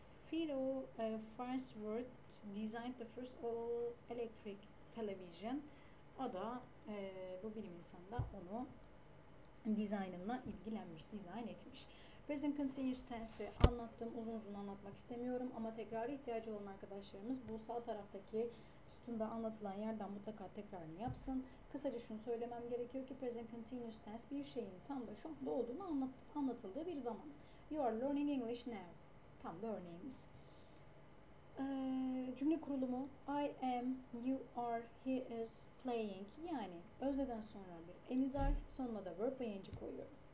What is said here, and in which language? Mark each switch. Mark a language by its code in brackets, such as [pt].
[en] Philo Farnsworth designed the first all electric television. [tr] O da bu bilim insanı da onu dizaynına ilgilenmiş, dizayn etmiş. Present continuous tense'i anlattım. Uzun uzun anlatmak istemiyorum ama tekrar ihtiyacı olan arkadaşlarımız bu sağ taraftaki sütunda anlatılan yerden mutlaka tekrarını yapsın. Kısaca şunu söylemem gerekiyor ki present continuous tense bir şeyin tam da şu anda olduğunu anlatıldığı bir zaman. [en] You are learning English now. [tr] Tam da örneğimiz. Cümle kurulumu [en] I am, you are, he is playing. [tr] Yani özneden sonra bir emizar, sonuna da verb ing koyuyorum.